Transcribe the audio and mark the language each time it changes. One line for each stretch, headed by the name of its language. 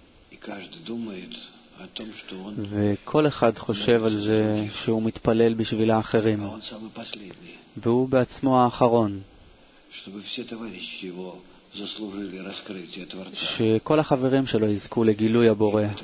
Russian: И каждый думает о том, что он.
Hebrew: וכל אחד חושב על זה שהוא מתפלל בשביל האחרים. והוא
Russian: самый последний.
Hebrew: והוא בעצמו האחרון.
Russian: Чтобы все товарищи его заслужили раскрытие творца.
Hebrew: שכל החברים שלו יזכו לגילוי הבורא.